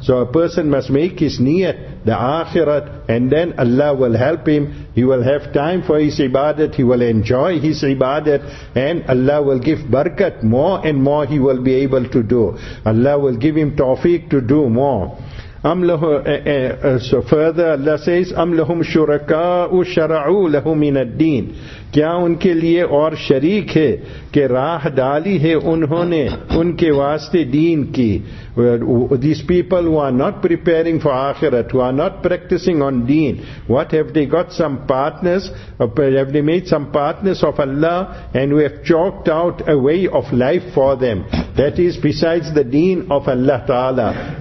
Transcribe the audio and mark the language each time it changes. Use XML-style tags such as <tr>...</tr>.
<en>So a person must make his niyat, the Akhirat, and then Allah will help him. He will have time for his ibadat. He will enjoy his ibadat. And Allah will give barakat. More and more he will be able to do. Allah will give him tawfiq to do more. So further Allah says,</en> <ar>أَمْ لَهُمْ شُرَكَاءُ شَرَعُوا لَهُ مِنَ الدِّينِ.</ar> <ur>کیا ان کے لئے اور شریک ہے کہ راہ ڈالی ہے انہوں نے ان کے واسطے دین کی.</ur> <en>These people who are not preparing for Akhirat, who are not practicing on deen, what have they got? Some partners, have they made some partners of Allah, and we have chalked out a way of life for them that is besides the deen of Allah Ta'ala.</en>